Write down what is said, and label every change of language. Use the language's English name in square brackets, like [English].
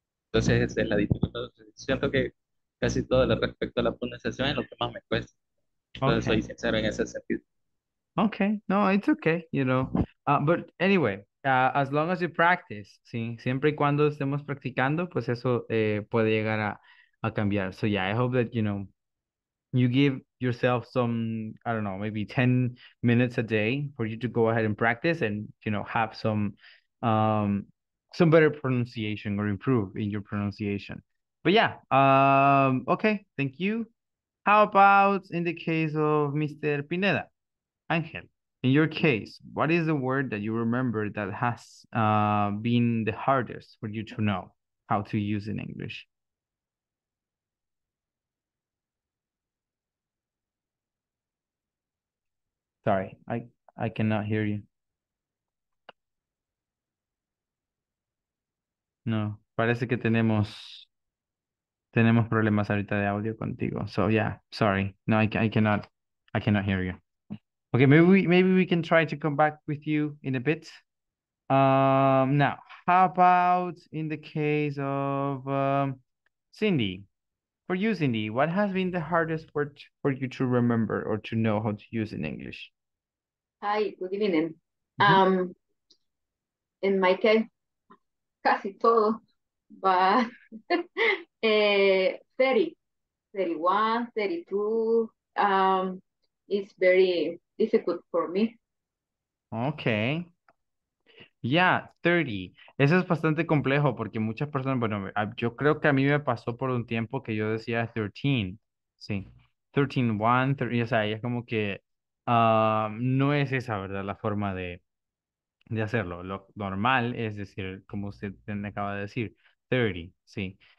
[Spanish] Entonces, esa es la dificultad. Siento que casi todo lo respecto a la pronunciación es lo que más me cuesta. Entonces, soy sincero en ese sentido. [English] Okay, no, it's okay, you know. But anyway, as long as you practice, ¿sí? [Spanish] Siempre y cuando estemos practicando, pues eso puede llegar a cambiar. [English] So yeah, I hope that, you know, you give yourself some, I don't know, maybe 10 minutes a day for you to go ahead and practice and, you know, have some better pronunciation or improve in your pronunciation. But yeah, okay, thank you. How about in the case of Mr. Pineda? Angel, in your case, what is the word that you remember that has been the hardest for you to know how to use in English? Sorry, I cannot hear you. [Spanish] No, parece que tenemos problemas ahorita de audio contigo. [English] So yeah, sorry. No, I cannot hear you. Okay, maybe we can try to come back with you in a bit. Now, how about in the case of Cindy? For you, Cindy, what has been the hardest word for you to remember or to know how to use in English? Hi, good evening. Mm-hmm. In my case, [Spanish] casi todo, [English] but 30, 31, 32, it's very difficult for me. Okay. Yeah, 30. [Spanish] Eso es bastante complejo porque muchas personas, bueno, yo creo que a mí me pasó por un tiempo que yo decía 13, sí. 13, 1, 30, o sea, es como que no es esa, ¿verdad? La forma de hacerlo. Lo normal es decir, como usted me acaba de decir, 30, sí.